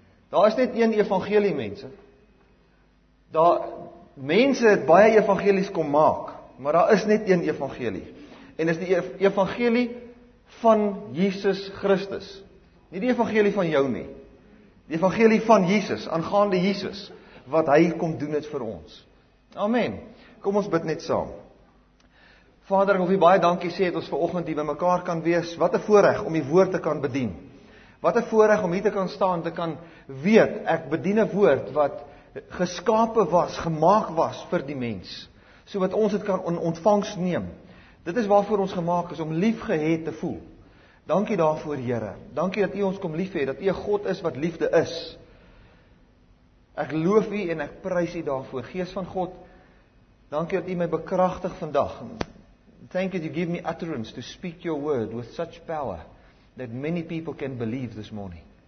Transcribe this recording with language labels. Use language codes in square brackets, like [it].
[af] Daar is net een evangelie, mense. Daar, mense het baie evangelies kom maak, maar daar is net een evangelie. En is die evangelie van Jesus Christus. Nie die evangelie van jou nie. Die evangelie van Jesus, aangaande Jesus, wat hy kom doen het vir ons. Amen. Kom ons bid net saam. Vader, ek wil u baie dankie sê, dat ons vanoggend hier by mekaar kan wees. Wat 'n voorreg om die woord te kan bedien. Wat 'n voorreg om hier te kan staan, te kan weet, ek bedien 'n woord wat geskape was, gemaak was vir die mens. So wat ons het kan ontvangs neem. Dit is waarvoor ons gemaak is, om liefgehet te voel. Dankie daarvoor, Here. Dankie dat u ons kom lief het, dat u 'n God is wat liefde is. Ek loof u en ek prys u daarvoor. Gees van God, dankie dat u my bekragtig vandag. [en] Thank you that you give me utterance to speak your word with such power that many people can believe this morning.